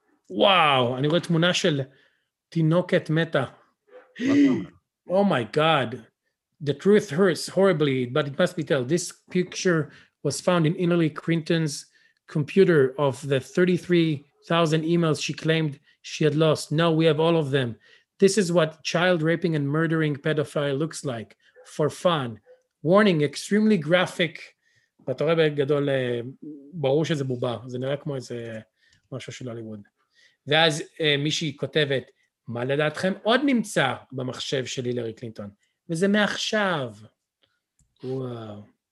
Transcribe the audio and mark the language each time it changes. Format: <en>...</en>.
<he>וואו, אני רואה תמונה של תינוקת מתה.</he> <en>Oh my God. The truth hurts horribly, but it must be told. This picture was found in Hillary Clinton's computer of the 33,000 emails she claimed she had lost. No, we have all of them. This is what child raping and murdering pedophile looks like for fun. Warning, extremely graphic.</en> <he>אתה רואה בגדול, ברור שזה בובה. זה נראה כמו איזה משהו של הוליווד. ואז מישהי כותבת, מה לדעתכם עוד נמצא במחשב של הילרי קלינטון? וזה מעכשיו. וואו.</he>